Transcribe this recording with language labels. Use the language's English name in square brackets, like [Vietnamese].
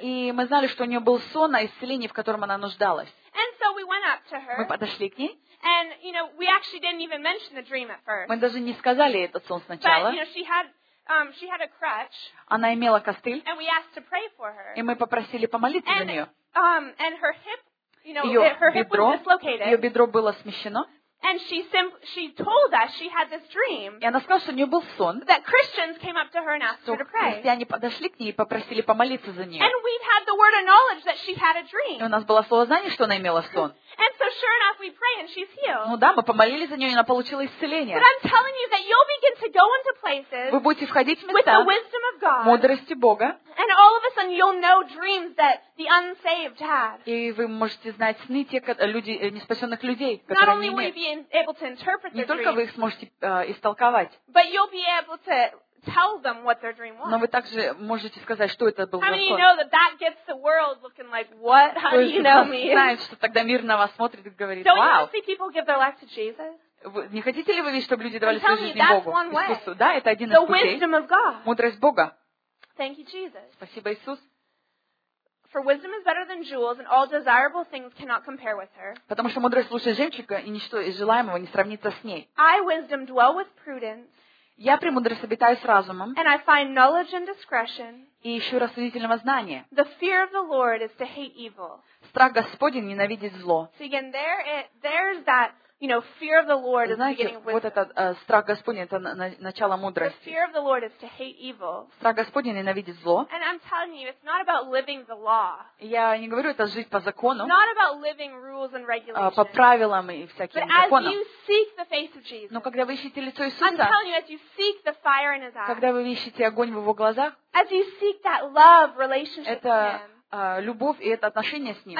[Russian] И мы знали, что у нее был сон о исцелении, в котором она нуждалась. [English] And so we went up to her. [Russian] Мы подошли к ней. [English] And you know, we actually didn't even mention the dream at first. [Russian] Мы даже не сказали этот сон сначала. [English] But you know, she had a crutch. [Russian] Она имела костыль. [English] And we asked to pray for her. [Russian] И мы попросили помолиться за нее. [English] And her hip, you know, her hip [Russian] бедро, [English] was dislocated. [Russian] Ее бедро было смещено. [English] And she told us she had this dream. [Russian] И она сказала, что у нее был сон. [English] That Christians came up to her and asked her to pray. [Russian] И они подошли к ней и попросили помолиться за нее. [English] And we had the word of knowledge that she had a dream. [Russian] И у нас было слово знания, что она имела сон. [English] And so sure enough, we pray and she's healed. [Russian] Ну да, мы помолились за нее, и она получила исцеление. [English] But I'm telling you that you'll begin to go into places. [Russian] Вы будете входить в места. [English] With the wisdom of God. [Russian] Мудрости Бога. [English] And all of a sudden you'll know dreams that the unsaved had. [Russian] И вы можете знать сны тех люди неспасенных людей, которые [English] Not only will you be able to interpret their [Russian] Не только вы их сможете истолковать. [English] But you'll be able to tell them what their dream was. [Russian] Но вы также можете сказать, что это был за сон. [English] How many know that gets the world looking like what? How do you know me? [Russian] Знает, что тогда мир на вас смотрит и говорит, вау. [English] Don't you want to see people give their life to Jesus? [Russian] Не хотите ли вы видеть, чтобы люди давали свою жизнь Богу? Иисусу? Да, это один из путей. [English] The wisdom of God. [Russian] Мудрость Бога. [English] Thank you, Jesus. [Russian] Спасибо, Иисус. [English] For wisdom is better than jewels, and all desirable things cannot compare with her. [Russian] Потому что мудрость лучше жемчуга, и ничто из желаемого не сравнится с ней. [English] I wisdom dwell with prudence. [Russian] Я премудрость обитаю с разумом. [English] And I find knowledge and discretion. [Russian] И ищу рассудительного знания. [English] The fear of the Lord is to hate evil. [Russian] Страх Господень ненавидеть зло. [English] So again, there's that. You know, fear of the Lord is [Russian] Знаете, [English] the beginning of wisdom. [Russian] Вот этот страх Господень это начало мудрости. [English] The fear of the Lord is to hate evil. [Russian] Страх Господень ненавидеть зло. [English] And I'm telling you, it's not about living the law. [Russian] Я не говорю это жить по закону. [English] It's not about living rules and regulations. [Russian] По правилам и всяким [English] But [Russian] законам. [English] As you seek the face of Jesus. [Russian] Но когда вы ищете лицо Иисуса. [English] I'm telling you, as you seek the fire in His eyes. [Russian] Когда вы ищете огонь в его глазах. [English] As you seek that love relationship [Russian] это, [English] with Him. [Russian] Любовь и это отношение с ним.